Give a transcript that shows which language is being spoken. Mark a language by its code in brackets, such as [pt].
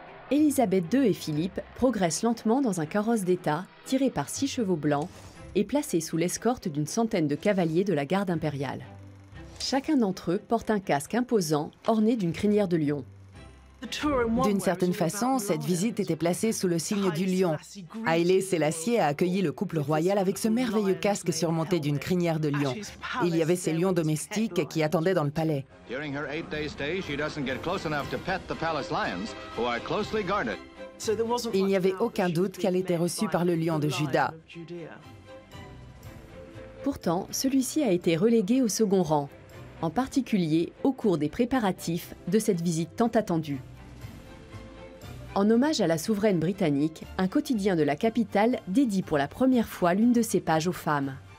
[fr] Élisabeth II et Philippe progressent lentement dans un carrosse d'État tiré par 6 chevaux blancs et placés sous l'escorte d'une centaine de cavaliers de la garde impériale. Chacun d'entre eux porte un casque imposant orné d'une crinière de lion. D'une certaine façon, cette visite était placée sous le signe du lion. Haïlé Sélassié a accueilli le couple royal avec ce merveilleux casque surmonté d'une crinière de lion. Il y avait ces lions domestiques qui attendaient dans le palais. [en] During her 8-day stay, she doesn't get close enough to pet the palace lions, who are closely guarded. [fr] Il n'y avait aucun doute qu'elle était reçue par le lion de Juda. Pourtant, celui-ci a été relégué au second rang, en particulier au cours des préparatifs de cette visite tant attendue. En hommage à la souveraine britannique, un quotidien de la capitale dédie pour la première fois l'une de ses pages aux femmes.